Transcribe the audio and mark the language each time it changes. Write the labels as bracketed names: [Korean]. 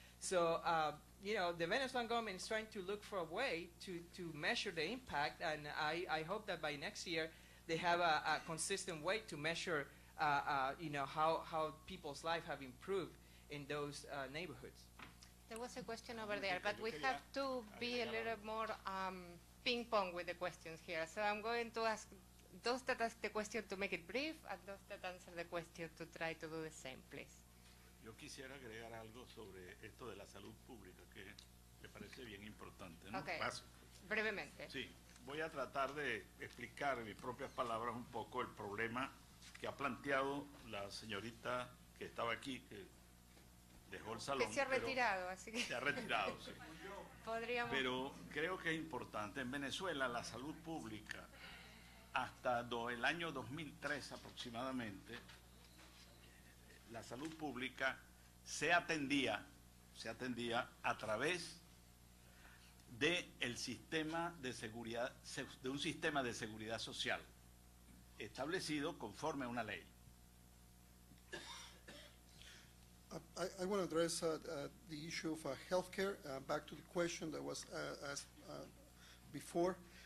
[English] So, you know, the Venezuelan government is trying to look for a way to measure the impact, and I hope that by next year they have a consistent way to measure, you know, how people's life have improved in those neighborhoods. There was a question over there, but we have to be a little more ping pong with the questions here. So I'm going to ask those that ask the question to make it brief, and those that answer the question to try to do the same, please. [Spanish] Yo quisiera agregar algo sobre esto de la salud pública, que me parece bien importante, ¿no? Okay. Brevemente. Sí. Voy a tratar de explicar en mis propias palabras un poco el problema que ha planteado la señorita que estaba aquí, que dejó el salón. Que se ha retirado, así que. Se ha retirado, sí. Podríamos. Pero creo que es importante. En Venezuela, la salud pública, hasta el año 2003 aproximadamente, la salud pública se atendía a través de el sistema de seguridad, de un sistema de seguridad social establecido conforme a una ley. [English] I want to address the issue of healthcare. Back to the question that was asked before.